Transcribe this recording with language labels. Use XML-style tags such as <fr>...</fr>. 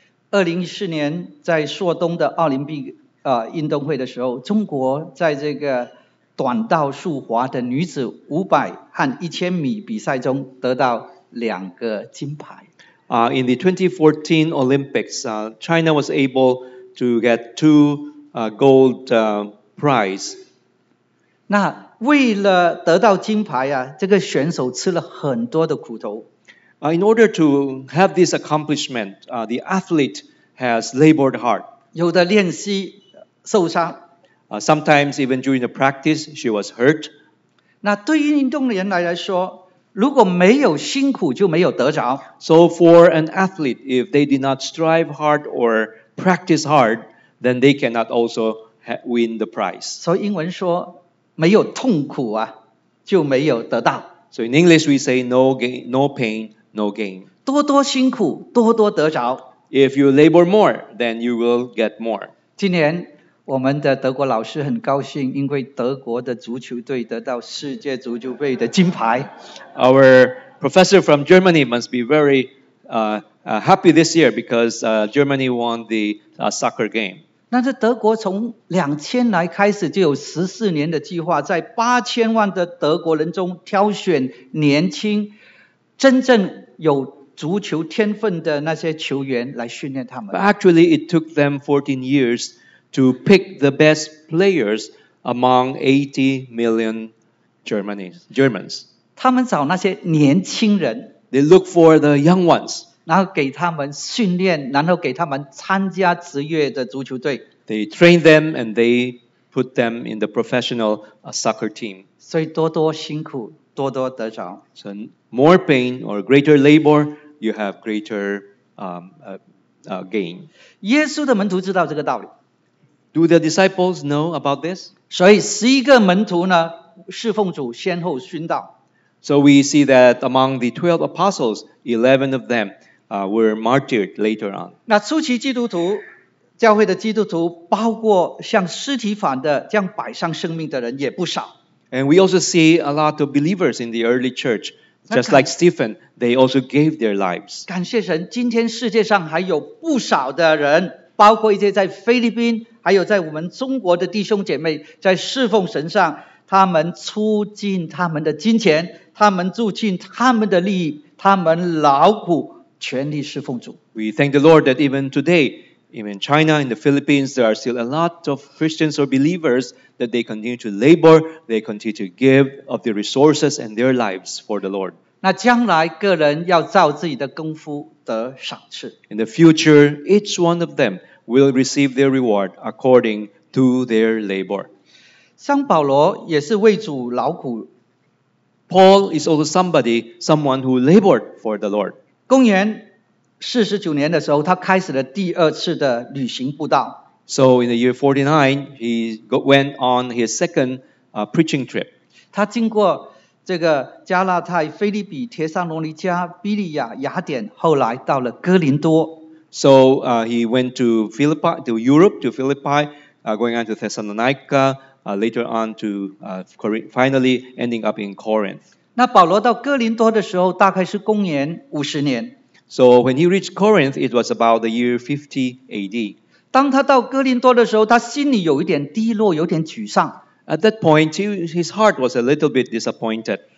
<zh>2014年在硕东的奥林匹克运动会的时候，中国在这个短道速滑的女子500和1000米比赛中得到两个金牌。</zh> <en>In the 2014 Olympics, China was able to get two gold prize.</en> <zh>那为了得到金牌啊，这个选手吃了很多的苦头。</zh> <en>In order to have this accomplishment, the athlete has labored hard.</en> <zh>有的练习受伤。</zh> <en>Sometimes even during the practice, she was hurt.</en> <zh>那对于运动员来说，如果没有辛苦就没有得着。</zh> <en>So for an athlete, if they did not strive hard or practice hard, then they cannot also win the prize.</en> <zh>So 英文说没有痛苦啊就没有得到。</zh> <en>So in English we say no gain, no pain, no gain.</en> <zh>多多辛苦多多得着。</zh> <en>If you labor more, then you will get more.</en> <zh>今年我们的德国老师很高兴，因为德国的足球队得到世界足球杯的金牌。</zh> <en>Our professor from Germany must be very happy this year because Germany won the soccer game.</en> <zh>那这德国从2000来开始就有14年的计划，在8000万的德国人中挑选年轻、真正有足球天分的那些球员来训练他们。</zh> <en>But actually, it took them 14 years. To pick the best players among 80 million Germans.</en> <zh>他们找那些年轻人。</zh> <en>They look for the young ones.</en> <zh>然后给他们训练，然后给他们参加职业的足球队。</zh> <en>They train them and they put them in the professional soccer team.</en> <zh>所以多多辛苦，多多得着。</zh> <en>So more pain or greater labor, you have greater gain.</en> <zh>耶稣的门徒知道这个道理。</zh> <en>Do the disciples know about this?</en> <zh>所以十一个门徒呢，侍奉主先后殉道。</zh> <en>So we see that among the 12 apostles, 11 of them were martyred later on.</en> <zh>那初期基督徒，教会的基督徒，包括像尸体反的这样摆上生命的人也不少。</zh> <en>And we also see a lot of believers in the early church, just like Stephen, they also gave their lives.</en> <zh>感谢神，今天世界上还有不少的人，包括一些在菲律宾，还有在我们中国的弟兄姐妹，在侍奉神上，他们出尽他们的金钱，他们注尽他们的利益，他们劳苦全力侍奉主。</zh> <en>We thank the Lord that even today, even China and the Philippines, there are still a lot of Christians or believers that they continue to labor, they continue to give of their resources and their lives for the Lord.</en> <zh>那将来个人要照自己的功夫得赏赐。</zh> <en>In the future, each one of them will receive their reward according to their labor.</en> <zh>像保罗也是为主劳苦。</zh> <en>Paul is also someone who labored for the Lord.</en> <zh>公元49年的时候，他开始了第二次的旅行布道。</zh> <en>So in the year 49, he went on his second preaching trip.</en> <zh>他经过这个加拉太、腓立比、帖撒罗尼迦、比利亚、雅典，后来到了哥林多。</zh> <en>So he went to Philippi, to Europe, to Philippi, going on to Thessalonica. Later on to finally ending up in Corinth.</en> <zh>那保罗到哥林多的时候大概是公元50年。</zh> <en>So when he reached Corinth, it was about the year 50 AD.</en> <zh>当他到哥林多的时候他心里有一点低落有点沮丧。</zh> <en>At that point, his heart was a little bit disappointed.</en>